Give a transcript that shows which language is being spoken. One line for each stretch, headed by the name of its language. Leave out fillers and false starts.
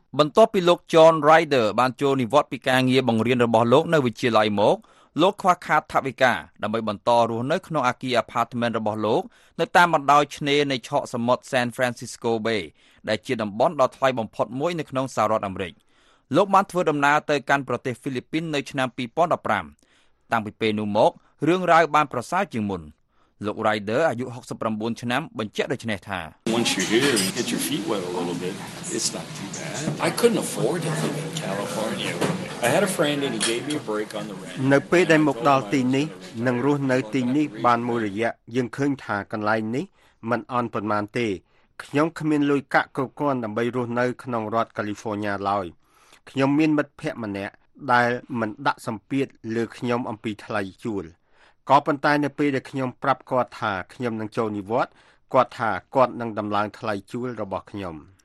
Khmer: បន្ទាប់ពីលោក John Ryder បានចូលនិវត្តន៍ពីការងារបង្រៀនរបស់លោកនៅវិទ្យាល័យមកលោកខ្វះខាតថវិកាដើម្បីបន្តរស់នៅក្នុងអគារ Apartment របស់លោកនៅតាមបណ្ដោយឆ្នេរនៃឆកសមុទ្រ San Francisco Bay ដែលជាតំបន់ដ៏ថ្លៃបំផុតមួយនៅក្នុងសហរដ្ឋអាមេរិកលោកបានធ្វើដំណើរទៅកាន់ប្រទេសហ្វីលីពីននៅឆ្នាំ2015តាំងពីពេលនោះមករឿងរ៉ាវបានប្រសើរជាងមុនលោក Ryder អាយុ69ឆ្នាំបញ្ជាក់ដូចនេះថា
English: Once you here and get your feet wet a little bit it's not too bad I couldn't afford it in California I had a friend and he gave me a break on the rent
Khmer: នៅពេលដែលមកដល់ទីនេះនឹងរស់នៅទីនេះបានមួយរយៈយើងឃើញថាកន្លែងនេះมันអន់ប៉ុន្មានទេខ្ញុំគ្មានលុយកាក់គ្រប់គ្រាន់ដើម្បីរស់នៅក្នុងរដ្ឋ California ឡើយខ្ញុំមានមិត្តភក្តិម្នាក់ដែលមិនដាក់សម្ពាធលើខ្ញុំអំពីថ្លៃជួលក៏ប៉ុន្តែនៅពេលដែលខ្ញុំប្រាប់គាត់ថាខ្ញុំនឹងចូលនិវត្តន៍គាត់ថាគាត់នឹងដំឡើងថ្លៃជួលរបស់ខ្ញុំ